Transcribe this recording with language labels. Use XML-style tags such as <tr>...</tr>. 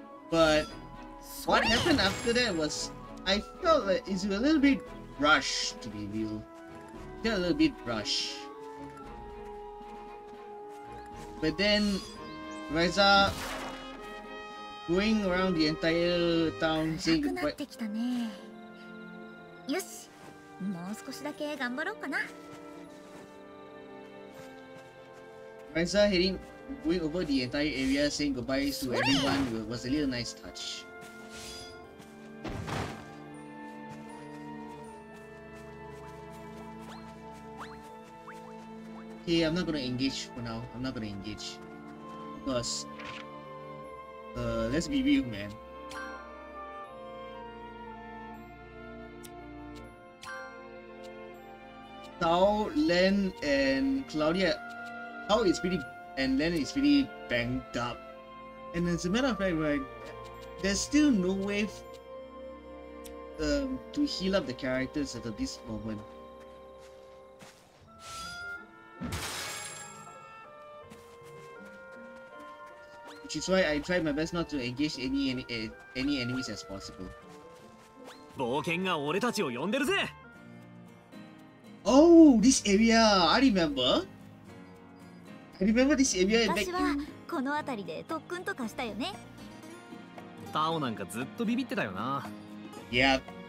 <en>But what happened after that was, I felt like it's a little bit rushed, to be real. Felt a little bit rushed. But then,Ryza going around the entire town saying goodbye.</en> <ja>なってきたね。よし、もう少しだけ頑張ろうかな。</ja> <en>Ryza going over the entire area saying goodbye to everyone was a little nice touch. Okay, I'm not gonna engage for now. I'm not gonna engage. Plus, let's be real, man. Tao, Len, and Claudia. Tao is pretty, and Len is pretty banged up. And as a matter of fact, right, there's still no way to heal up the characters at this moment. Which is why I try my best not to engage any enemies as possible.</en> <ja>冒険が俺たちを呼んでるぜ。</ja> <en>Oh, this area, I remember this area.</en> <ja>私はこの辺りで特訓とかしたよね。タオなんかずっとビビってたよな。いや、</ja>